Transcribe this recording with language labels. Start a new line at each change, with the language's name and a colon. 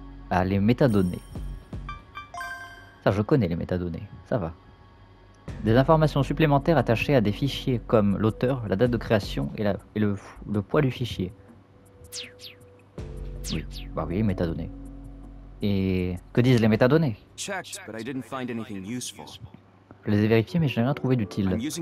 French: Ah, les métadonnées. Ça, je connais les métadonnées, ça va. Des informations supplémentaires attachées à des fichiers comme l'auteur, la date de création et le poids du fichier. Oui, bah oui, métadonnées. Et que disent les métadonnées?
English: Checked, but I didn't find anything useful.
French: Je les ai vérifiés, mais je n'ai rien trouvé d'utile.